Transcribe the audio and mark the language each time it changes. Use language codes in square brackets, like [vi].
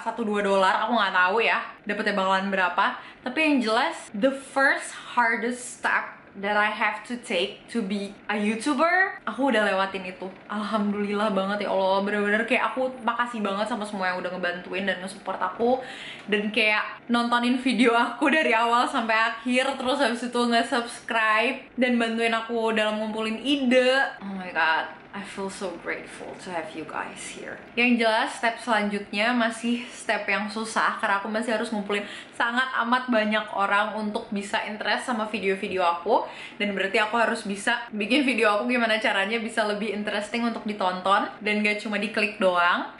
[id] 1-2 dolar, aku nggak tahu ya. Dapatnya bakalan berapa? Tapi yang jelas [en] the first hardest step that I have to take to be a YouTuber, [id] aku udah lewatin itu. Alhamdulillah banget ya Allah, bener-bener kayak aku makasih banget sama semua yang udah ngebantuin dan nge-support aku dan kayak nontonin video aku dari awal sampai akhir, terus habis itu nge-subscribe dan bantuin aku dalam ngumpulin ide. [en] Oh my god, I feel so grateful to have you guys here. [id] Yang jelas, step selanjutnya masih step yang susah, karena aku masih harus ngumpulin sangat amat banyak orang untuk bisa interest sama video-video aku. Dan berarti aku harus bisa bikin video aku gimana caranya bisa lebih interesting untuk ditonton dan gak cuma diklik doang.